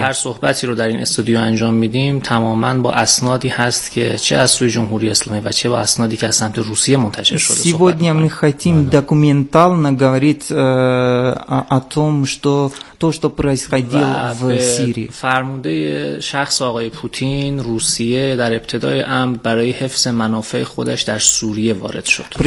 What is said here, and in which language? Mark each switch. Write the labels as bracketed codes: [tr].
[ru] Если [fa] هر صحبتی رو در این استودیو انجام میدیم تماماً با اسنادی هست که چه از سوی جمهوری اسلامی و چه با اسنادی که از سمت روسیه منتشر شده. [ru] Сегодня мы хотим документально говорить о том, что то, что происходило в Сирии. [fa] فرمانده شخص آقای پوتین، روسیه در ابتدای امر برای حفظ منافع خودش در سوریه وارد شد.